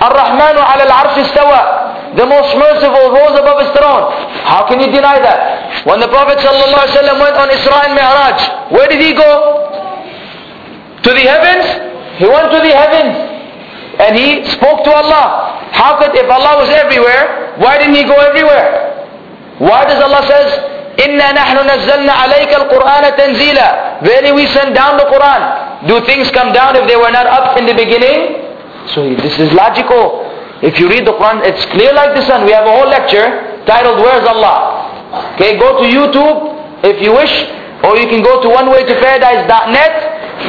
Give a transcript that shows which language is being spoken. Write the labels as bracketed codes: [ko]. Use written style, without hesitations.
[ar] Ar-Rahmanu ala al-Arsh istawa. [en] The most merciful rose above his throne. How can you deny that? When the Prophet ﷺ went on Isra and Mi'raj, where did he go? To the heavens? He went to the heavens. And he spoke to Allah. How could, if Allah was everywhere, why didn't he go everywhere? Why does Allah says, [ar] إِنَّا نَحْنُ نَزَّلْنَا عَلَيْكَ الْقُرْآنَ تَنْزِيلًا. [en] Verily we send down the Quran. Do things come down if they were not up in the beginning? So this is logical. If you read the Quran, it's clear like the sun. We have a whole lecture titled, Where's Allah? Okay, go to YouTube if you wish, or you can go to onewaytoparadise.net.